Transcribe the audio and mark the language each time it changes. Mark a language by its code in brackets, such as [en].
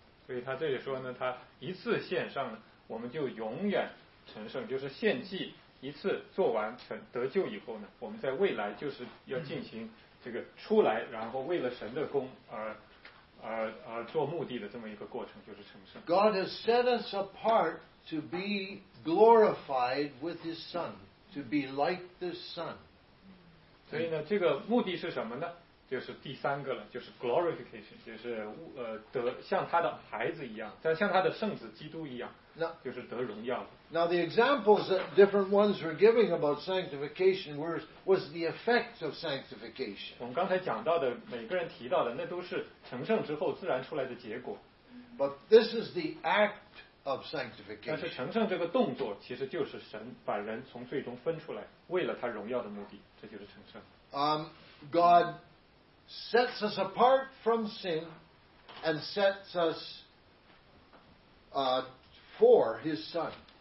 [zh] 所以他这里说呢, 他一次献上呢, 我们就永远成圣, 就是献祭一次做完, 得救以后呢, 我们在未来就是要进行这个出来, 然后为了神的功, 而做目的的这么一个过程, 就是成圣。 [en] God has set us apart to be glorified with His Son, to be like the Son. [zh] 所以呢, 这个目的是什么呢? 就是第三个了, 就是 glorification, 就是, 得, 像他的孩子一样, 像他的圣子基督一样, 就是得荣耀。 [en] Now the examples that different ones were giving about sanctification was the effect of sanctification. [zh] 我们刚才讲到的, 每个人提到的, 那都是成圣之后自然出来的结果。 [en] But this is the act of sanctification. [zh] 但是成圣这个动作, 其实就是神把人从最终分出来, 为了他荣耀的目的, 这就是成圣。 [en] God sets us apart from sin and sets us for His Son.